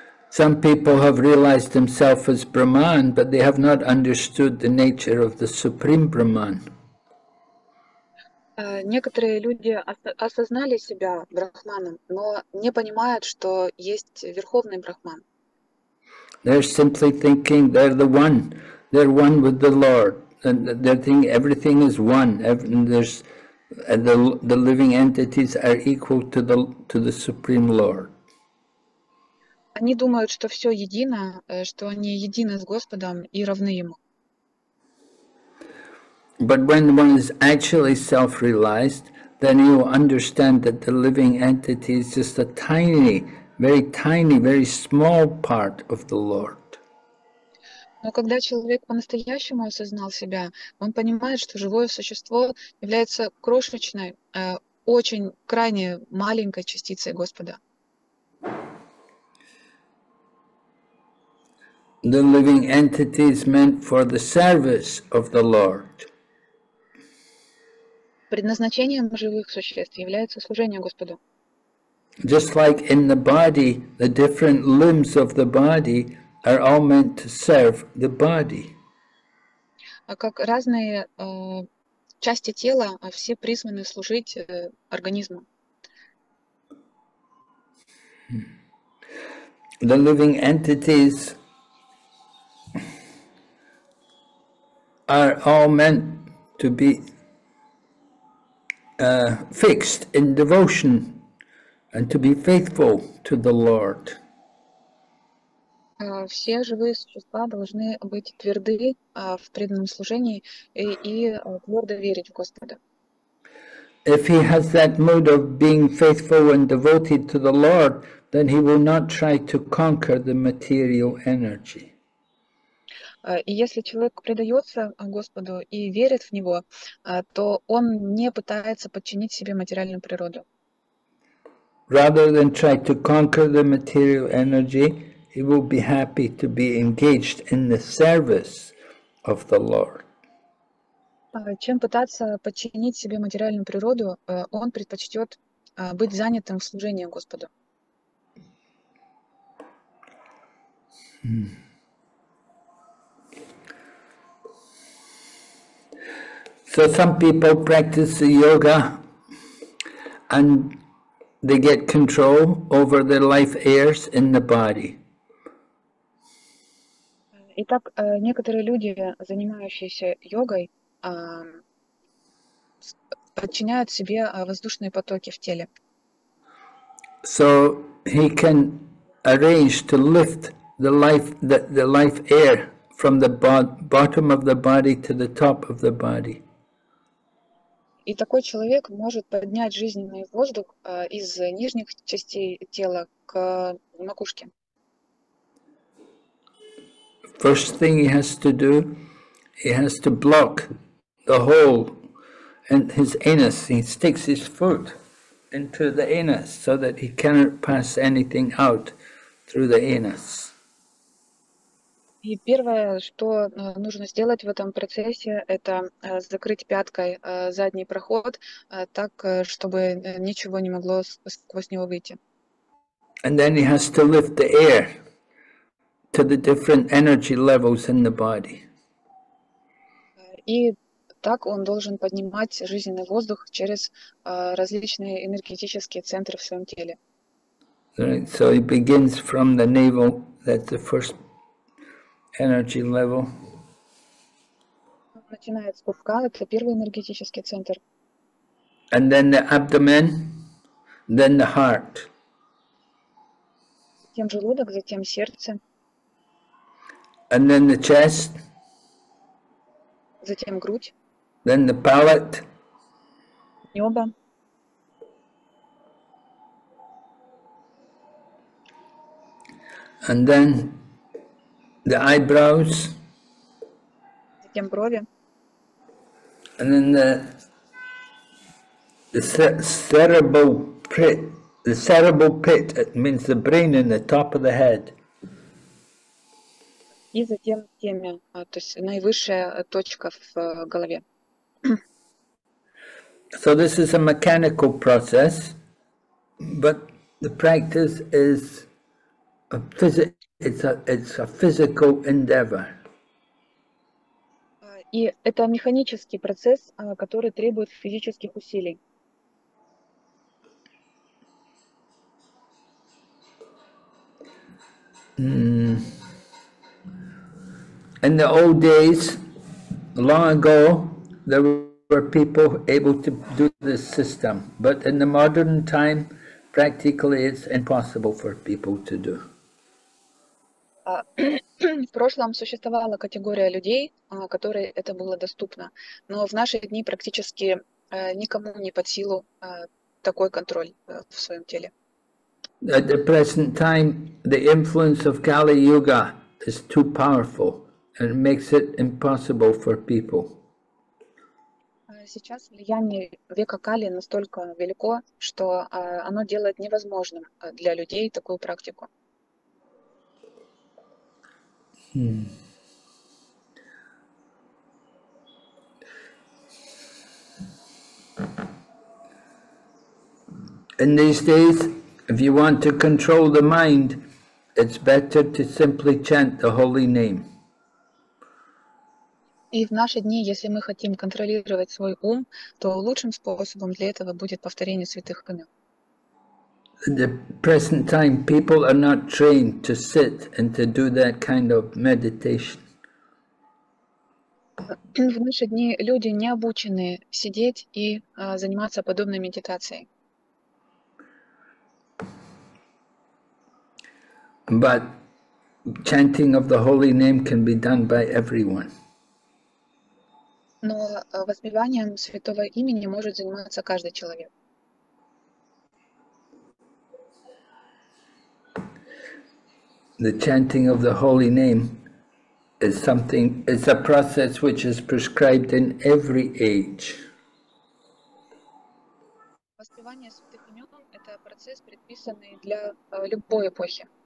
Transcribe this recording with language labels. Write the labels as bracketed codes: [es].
[en] Some people have realized themselves as Brahman, but they have not understood the nature of the Supreme Brahman. [ru] Некоторые люди осознали себя брахманом, но не понимают, что есть верховный брахман. [en] They're simply thinking they're the one. They're one with the Lord. And they think everything is one. The living entities are equal to the Supreme Lord. [ru] Они думают, что все едино, что они едины с Господом и равны ему. [en] But when one is actually self-realized, then he will understand that the living entity is just a tiny, very small part of the Lord. [ru] Но когда человек по-настоящему осознал себя, он понимает, что живое существо является крошечной, очень крайне маленькой частицей Господа. [en] The living entity is meant for the service of the Lord. [ru] Предназначением живых существ является служение Господу. [en] Just like in the body, the different limbs of the body are all meant to serve the body. [ru] А как разные части тела, все призваны служить организму. [en] The living entities are all meant to be fixed in devotion and to be faithful to the Lord. [ru] Все живые существа должны быть тверды в преданном служении и твердо верить в Господа. [en] If he has that mood of being faithful and devoted to the Lord, then he will not try to conquer the material energy. [ru] И если человек предается Господу и верит в Него, то он не пытается подчинить себе материальную природу. [en] Rather than try to conquer the material energy, he will be happy to be engaged in the service of the Lord. [ru] Чем пытаться подчинить себе материальную природу, он предпочтет быть занятым в служении Господу. [en] So some people practice yoga, and They get control over their life airs in the body. [ru] Итак, некоторые люди, занимающиеся йогой, подчиняют себе воздушные потоки в теле. [en] So he can arrange to lift the life air from the bottom of the body to the top of the body. [ru] И такой человек может поднять жизненный воздух из нижних частей тела к макушке. [en] First thing he has to do, he has to block the hole and his anus. He sticks his foot into the anus so that he cannot pass anything out through the anus. [ru] И первое, что нужно сделать в этом процессе, это закрыть пяткой задний проход, так, чтобы ничего не могло сквозь него выйти. [en] And then he has to lift the air to the different energy levels in the body. [ru] И так он должен поднимать жизненный воздух через различные энергетические центры в своем теле. [en] Right. So it begins from the navel, that's the first energy level. [ru] Начинает с пупка, это первый энергетический центр. [en] And then the abdomen, then the heart. [ru] Затем желудок, затем сердце. [en] And then the chest. [ru] Затем грудь. [en] Then the palate. [ru] Нёбо. [en] And then the eyebrows. [ru] Затем брови. [en] And then the cerebral pit, it means the brain in the top of the head. [ru] И затем темя, то есть наивысшая точка в голове. [en] So this is a mechanical process, but the practice is it's a physical endeavor. [ru] И это механический процесс, который требует физических усилий. [en] In the old days, long ago, there were people able to do this system, but in the modern time, practically it's impossible for people to do. [ru] В прошлом существовала категория людей, которой это было доступно, но в наши дни практически никому не под силу такой контроль в своем теле. [en] At the present time, the influence of Kali Yuga is too powerful and makes it impossible for people. [ru] Сейчас влияние века Кали настолько велико, что оно делает невозможным для людей такую практику. [en] In these days, if you want to control the mind, it's better to simply chant the holy name. [ru] И в наши дни, если мы хотим контролировать свой ум, то лучшим способом для этого будет повторение святых имен. [en] In the present time, people are not trained to sit and to do that kind of meditation. [ru] В наши дни люди не обучены сидеть и заниматься подобной медитацией. [en] But chanting of the holy name can be done by everyone. [ru] Но воспеванием святого имени может заниматься каждый человек. [en] The chanting of the holy name is something, it's a process which is prescribed in every age. [ru] Воспевание святых имен – это процесс, предписанный для любой эпохи.